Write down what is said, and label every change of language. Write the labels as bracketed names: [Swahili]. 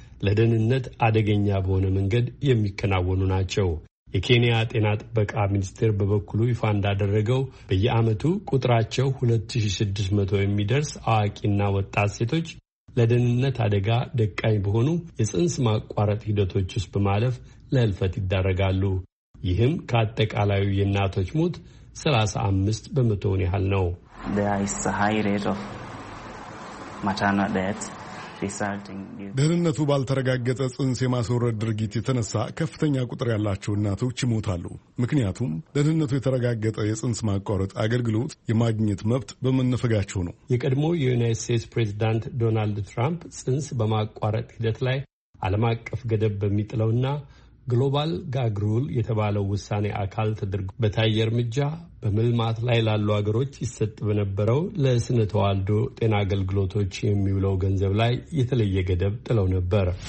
[Amharic] ለደህንነት አደገኛ በሆነ መንገድ የሚከናወኑ ናቸው። የኬንያ ጤና ጥበቃ ሚኒስቴር በበኩሉ ይፋ እንዳደረገው በየአመቱ ቁጥራቸው 2600 የሚደርስ አዋቂና ወጣት ሴቶች ለደህንነት አደጋ ደቃኝ በሆኑ የጽንስ ማቋረጥ ሂደቶች ውስጥ በማለፍ ለህልፈት ይዳረጋሉ። ይህም ከአጠቃላዩ የእናቶች ሞት 35% ያህል ነው። [English] There is a high rate of maternal death [Amharic] ደህንነቱ ባልተረጋገጠ ጽንስ የማስወረድ ድርጊት የተነሳ ከፍተኛ ቁጥር ያላቸው እናቶች ይሞታሉ። ምክንያቱም ደህንነቱ የተረጋገጠ የጽንስ ማቋረጥ አገልግሎት የማግኘት መብት በመነፈጋቸው ነው። የቀድሞ የዩናይትድ ስቴትስ ፕሬዚዳንት ዶናልድ ትራምፕ ጽንስ በማቋረጥ ሂደት ላይ ዓለም አቀፍ ገደብ በሚጥለውና ግሎባል ጋግ ሩል የተባለው ውሳኔ አካል ተደርጎ በታየ እርምጃ በመልማት ላይ ላሉ አገሮች ይሰጥ በነበረው ለስነ ተዋልዶ ጤና አገልግሎቶች የሚውለው ገንዘብ ላይ የተለየ ገደብ ጥለው ነበር።